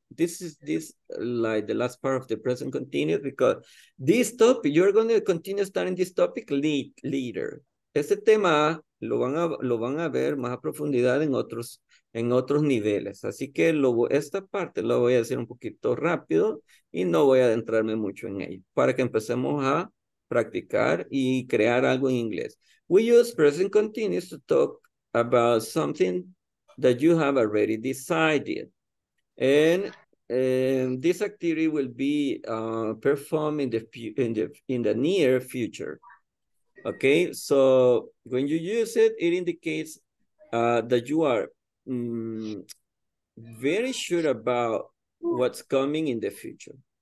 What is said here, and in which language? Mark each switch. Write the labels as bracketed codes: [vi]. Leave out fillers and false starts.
[en] This is like the last part of the present continuous, because this topic, you're going to continue studying this topic later. [es] Este tema lo van a ver más a profundidad en otros niveles. Así que esta parte la voy a hacer un poquito rápido y no voy a adentrarme mucho en ella para que empecemos a practicar y crear algo en inglés. [en] We use present continuous to talk about something that you have already decided. And this activity will be performed in the near future. Okay, so when you use it, it indicates that you are very sure about what's coming in the future.